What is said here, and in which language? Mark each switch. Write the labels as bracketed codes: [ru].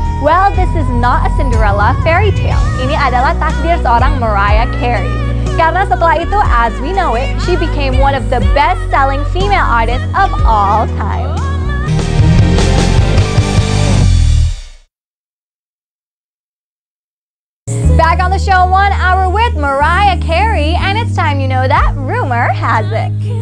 [en] Well, this is not a Cinderella fairy tale. [id] Ini adalah takdir seorang Mariah Carey. Karena setelah itu, [en] as we know it, she became one of the best-selling female artists of all time. Back on the show, One Hour With Mariah Carey, and it's time you know that rumor has it.